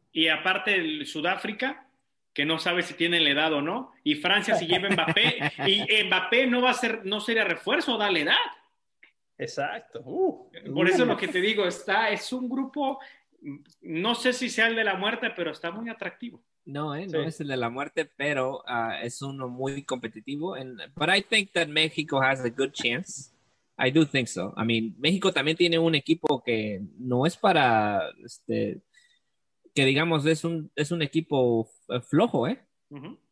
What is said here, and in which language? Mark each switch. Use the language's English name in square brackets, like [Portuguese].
[Spanish] Y aparte el Sudáfrica, que no sabe si tiene la edad o no, y Francia si lleva Mbappé, y Mbappé no sería refuerzo, da la edad. Exacto. Por eso lo que te digo, es un grupo, no sé si sea el de la muerte, pero está muy atractivo. No es el de la muerte, pero es uno muy competitivo. [English] But I think that Mexico has a good chance. I do think so. I mean, [Spanish] México también tiene un equipo que no es para, que digamos es un equipo flojo, Uh-huh.